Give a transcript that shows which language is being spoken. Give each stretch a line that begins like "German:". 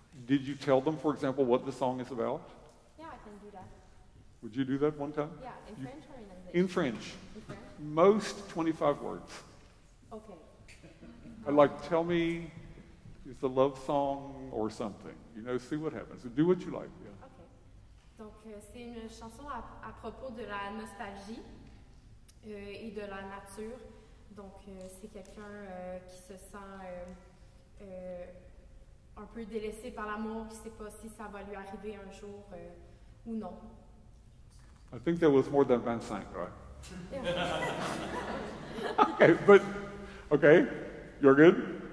English: Did you tell them, for example, what the song is about? Yeah, I can do that. Would you do that one time? Yeah, in French or in English? In French. In French? Most 25 words. Okay. I'd like, tell me, it's a love song or something. You know, see what happens. Do what you like, yeah.
French: Donc, c'est une chanson à propos de la nostalgie et de la nature. Donc, c'est quelqu'un qui se sent un peu délaissé par l'amour, qui ne sait pas si ça va lui arriver un jour ou non.
English: I think there was more than 25, right? Yeah. Okay, but, okay, you're good?